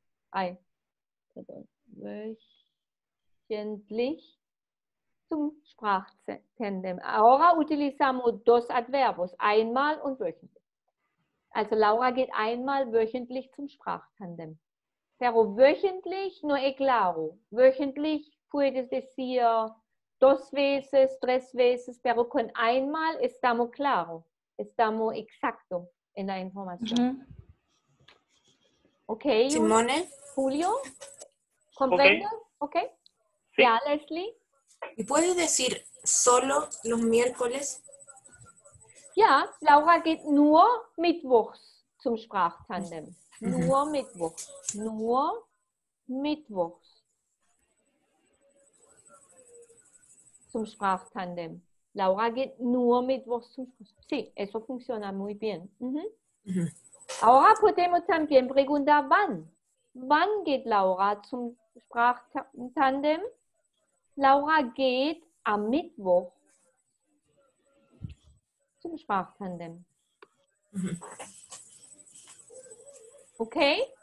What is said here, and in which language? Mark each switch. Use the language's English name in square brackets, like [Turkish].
[German] Ein, wöchentlich zum Sprachtandem. [Spanish] Ahora utilizamos dos adverbos, [German] einmal und wöchentlich. Also Laura geht einmal wöchentlich zum Sprachtandem. [Spanish] Pero wöchentlich no es claro. Wöchentlich puedes decir dos veces, tres veces, pero con einmal estamos claro. Estamos exacto en la información. Mm-hmm. Okay, Simone. Julio, ¿comprendo? Okay. Okay. Sí. Ya, Leslie. ¿Y puedes decir solo los miércoles? [German] Ja, Laura geht nur mittwochs zum Sprachtandem. Mhm. Nur mittwochs. Nur mittwochs. Zum Sprachtandem. Laura geht nur mittwochs zum Sprachtandem. [Spanish] Sí, eso funciona muy bien. Mhm. Mhm. Ahora podemos también preguntar, wann? [German] Wann geht Laura zum Sprachtandem? Laura geht am Mittwoch. Sprachtandem. Okay?